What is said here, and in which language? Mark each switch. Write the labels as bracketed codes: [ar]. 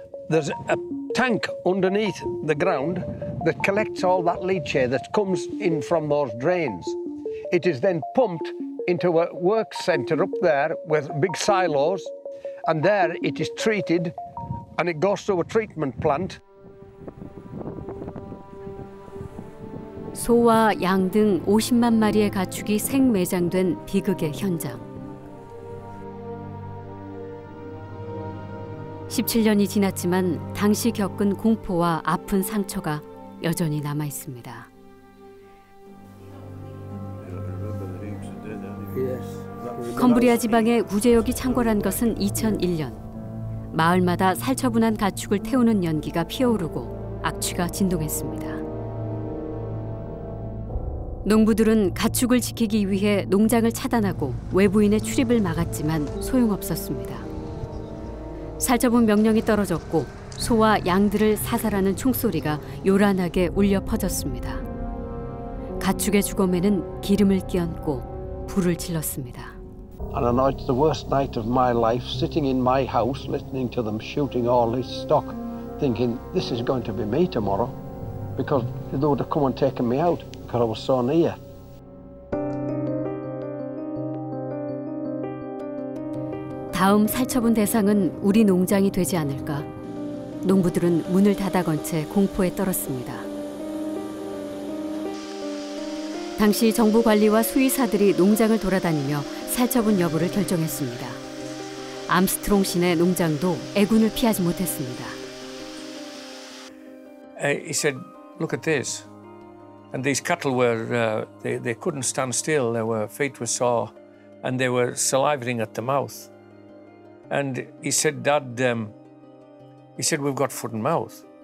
[en] There's a tank underneath the ground that collects all that leachate that comes in from those drains. It is then pumped into a work centre up there with big silos, and there it is treated and it goes to a treatment plant. [ko] 소와 양 등 50만 마리의 가축이 생매장된 비극의 현장. 17년이 지났지만 당시 겪은 공포와 아픈 상처가 여전히 남아 있습니다. [en] Yes. [ko] 컴브리아 지방에 구제역이 창궐한 것은 2001년. 마을마다 살처분한 가축을 태우는 연기가 피어오르고 악취가 진동했습니다. 농부들은 가축을 지키기 위해 농장을 차단하고 외부인의 출입을 막았지만 소용없었습니다. 살처분 명령이 떨어졌고 소와 양들을 사살하는 총소리가 요란하게 울려 퍼졌습니다. 가축의 죽음에는 기름을 끼얹고 불을 질렀습니다. [en] And I know it's the worst night of my life, sitting in my house, listening to them shooting all this stock, thinking this is going to be me tomorrow, because they would have come and taken me out, because I was so near. [ko] 다음 살처분 대상은 우리 농장이 되지 않을까? 농부들은 문을 닫아건 채 공포에 떨었습니다. 당시 정부 관리와 수의사들이 농장을 돌아다니며 살처분 여부를 결정했습니다. 암스트롱 씨네 농장도 애군을 피하지 못했습니다. [en] He said, "Look at this." And these cattle were they couldn't stand still. Their feet were sore, and they were salivating at the mouth. And he said, "Dad," he said, "we've got foot and mouth."